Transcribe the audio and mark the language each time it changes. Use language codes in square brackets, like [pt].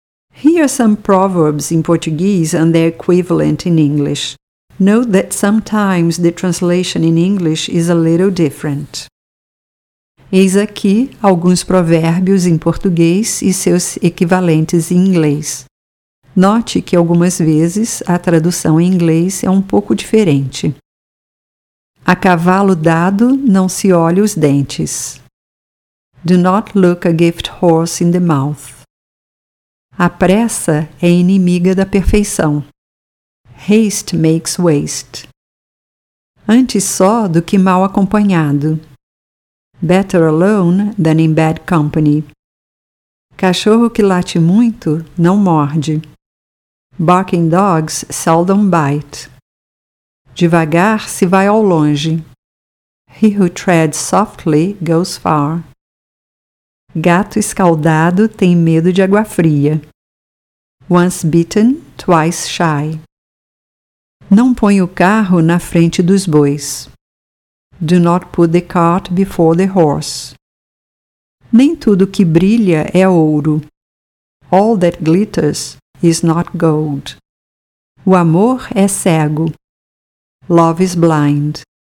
[en] Here are some proverbs in Portuguese and their equivalent in English. Note that sometimes the translation in English is a little different. [pt] Eis aqui alguns provérbios em português e seus equivalentes em inglês. Note que algumas vezes a tradução em inglês é um pouco diferente. A cavalo dado não se olha os dentes. [en] Do not look a gift horse in the mouth. [pt] A pressa é inimiga da perfeição. [en] Haste makes waste. [pt] Antes só do que mal acompanhado. [en] Better alone than in bad company. [pt] Cachorro que late muito não morde. [en] Barking dogs seldom bite. [pt] Devagar se vai ao longe. [en] He who treads softly goes far. [pt] Gato escaldado tem medo de água fria. [en] Once bitten, twice shy. [pt] Não põe o carro na frente dos bois. [en] Do not put the cart before the horse. [pt] Nem tudo que brilha é ouro. [en] All that glitters is not gold. [pt] O amor é cego. [en] Love is blind.